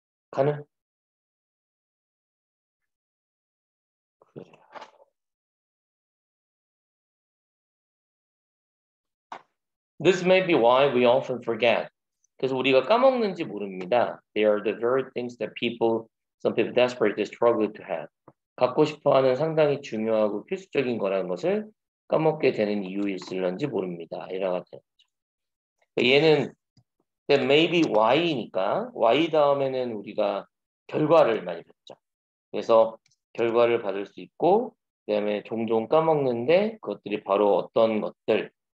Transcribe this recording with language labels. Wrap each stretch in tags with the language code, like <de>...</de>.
<ko>가능?</ko> <en>This may be why we often forget.</en> <ko>그래서 우리가 까먹는지 모릅니다.</ko> <en>They are the very things that people, some people desperately struggle to have.</en> <ko>갖고 싶어하는 상당히 중요하고 필수적인 거라는 것을 까먹게 되는 이유일지 모릅니다. 이라고 하죠. 얘는</ko> <en>the maybe why</en> <ko>이니까 why 다음에는 우리가 결과를 많이 봤죠. 그래서 결과를 받을 수 있고 그다음에 종종 까먹는데 그것들이 바로 어떤 것들.</ko>